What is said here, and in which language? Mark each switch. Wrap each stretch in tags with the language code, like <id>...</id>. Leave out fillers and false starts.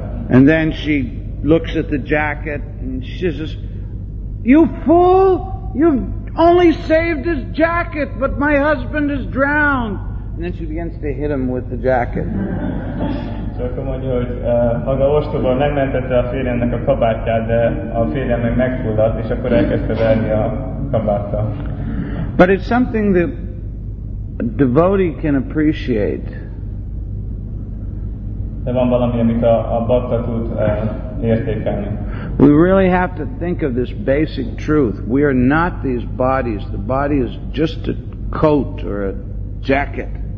<en>And then she looks at the jacket and she says, you fool! You've only saved his jacket, but my husband is drowned. And then she begins to hit him with the jacket.</en> <hu>És akkor mondja, hogy maga ostoba, megmentette a férjének a kabátját, de a férje meg megfulladt, és akkor elkezdte verni a kabáttal.</hu> <en>But it's something that a devotee can appreciate.</en> <hu>De van valami, amit a bhakta tud értékelni.</hu> <en>We really have to think of this basic truth. We are not these bodies. The body is just a coat or a jacket.</en>